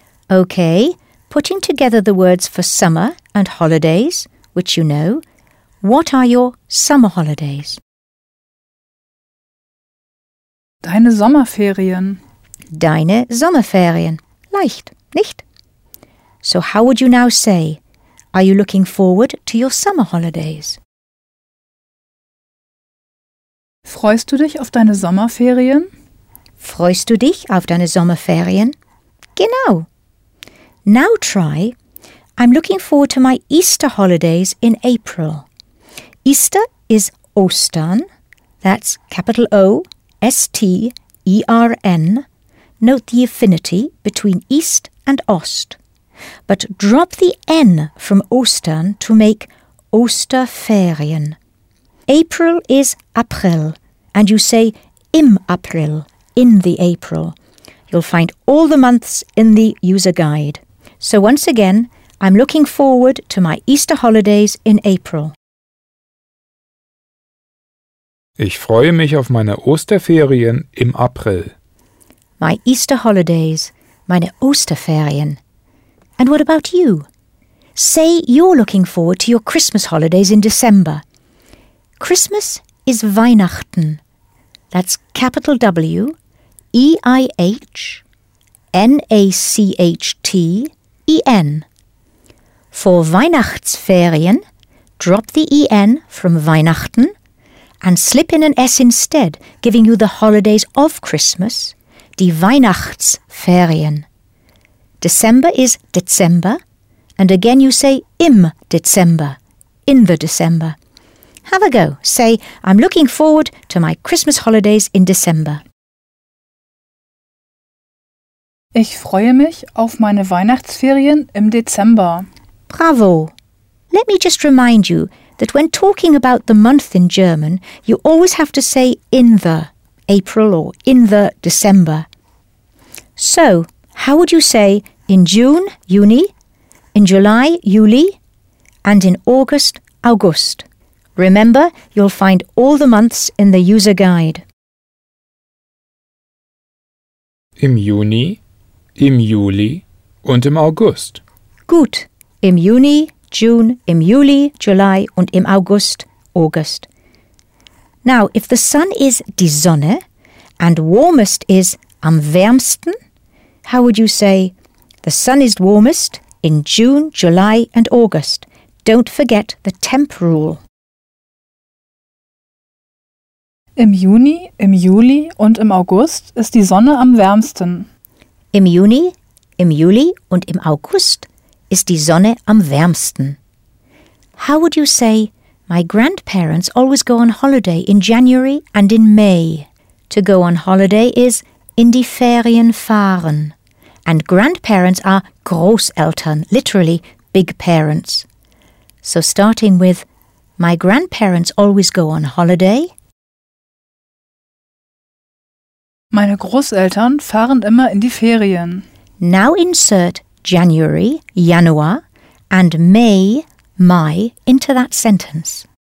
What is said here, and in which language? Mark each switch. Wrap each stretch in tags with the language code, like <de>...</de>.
<en>Okay, putting together the words for summer and holidays, which you know, what are your summer holidays?</en> <de>Deine Sommerferien. Deine Sommerferien. Leicht, nicht?</de> <en>So how would you now say, are you looking forward to your summer holidays?</en> <de>Freust du dich auf deine Sommerferien? Freust du dich auf deine Sommerferien? Genau.</de> <en>Now try, I'm looking forward to my Easter holidays in April. Easter is Ostern, that's capital O-S-T-E-R-N. Note the affinity between East and Ost. But drop the N from Ostern to make Osterferien. April is April, and you say</en> <de>im April,</de> <en>in the April. You'll find all the months in the user guide. So once again, I'm looking forward to my Easter holidays in April.</en> <de>Ich freue mich auf meine Osterferien im April.</de> <en>My Easter holidays,</en> <de>meine Osterferien.</de> <en>And what about you? Say you're looking forward to your Christmas holidays in December. Christmas is Weihnachten. That's capital W, E-I-H, N-A-C-H-T-E-N. For Weihnachtsferien, drop the E-N from Weihnachten and slip in an S instead, giving you the holidays of Christmas, die Weihnachtsferien. December is Dezember, and again you say</en> <de>im Dezember,</de> <en>in the December. Have a go. Say, I'm looking forward to my Christmas holidays in December.</en> <de>Ich freue mich auf meine Weihnachtsferien im Dezember. Bravo.</de> <en>Let me just remind you that when talking about the month in German, you always have to say in the April or in the December. So, how would you say in June, Juni, in July, Juli, and in August, August? Remember, you'll find all the months in the user guide.</en> <de>Im Juni, im Juli und im August. Gut. Im Juni, June, im Juli, July und im August, August.</de> <en>Now, if the sun is die Sonne and warmest is am wärmsten, how would you say the sun is warmest in June, July and August? Don't forget the temp rule.</en> <de>Im Juni, im Juli und im August ist die Sonne am wärmsten. Im Juni, im Juli und im August ist die Sonne am wärmsten.</de> <en>How would you say, my grandparents always go on holiday in January and in May? To go on holiday is</en> <de>in die Ferien fahren.</de> <en>And grandparents are Großeltern, literally big parents. So starting with, my grandparents always go on holiday.</en> <de>Meine Großeltern fahren immer in die Ferien.</de> <en>Now insert January, Januar, and May, Mai, into that sentence.</en>